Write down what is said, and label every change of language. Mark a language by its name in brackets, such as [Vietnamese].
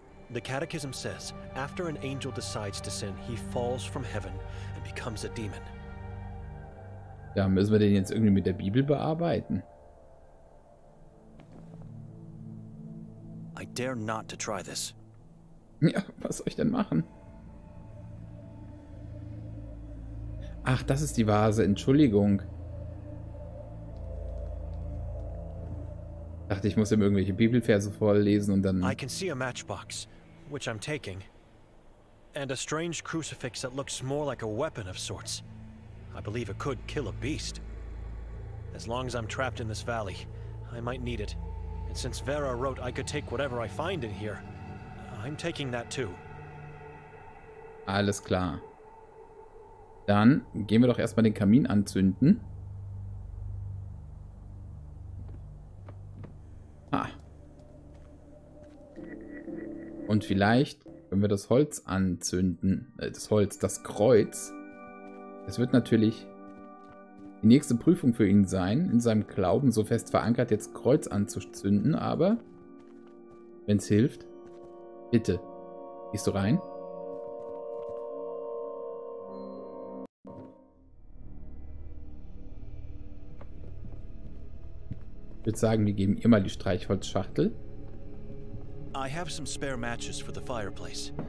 [English] The Catechism says, after an angel decides to sin, he falls from heaven and becomes a demon. [German] Ja, müssen wir den jetzt irgendwie mit der Bibel bearbeiten? [English] I dare not to try this. [German] Ja, was soll ich denn machen? Ach, das ist die Vase, Entschuldigung. Dachte, ich muss ihm irgendwelche Bibelverse vorlesen und dann... [English] I can see a matchbox. Which I'm taking. And a strange crucifix that looks more like a weapon of sorts. I believe it could kill a beast. As long as I'm trapped in this valley, I might need it. And since Vera wrote I could take whatever I find in here, I'm taking that too. [German] Alles klar. Dann gehen wir doch erstmal den Kamin anzünden. Und vielleicht können wir das Holz anzünden. Das Holz, das Kreuz. Es wird natürlich die nächste Prüfung für ihn sein, in seinem Glauben so fest verankert, jetzt Kreuz anzuzünden. Aber wenn es hilft, bitte. Gehst du rein? Ich würde sagen, wir geben ihr mal die Streichholzschachtel. [English] I have some spare matches for the fireplace.